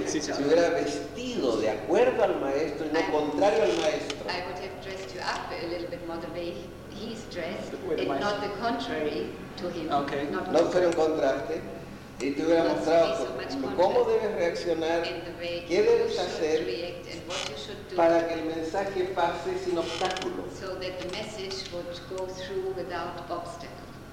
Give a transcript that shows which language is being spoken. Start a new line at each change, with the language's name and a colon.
Spanish: Si hubiera vestido de acuerdo al maestro y no contrario al maestro.
English: I would have dressed you up a little bit more the way he's dressed, and not the contrary to him. Okay.
Spanish: No fuera un contraste. Y te hubiera mostrado cómo debes reaccionar, qué debes hacer para que el mensaje pase sin obstáculo.
English: So that the message would go through without obstacle.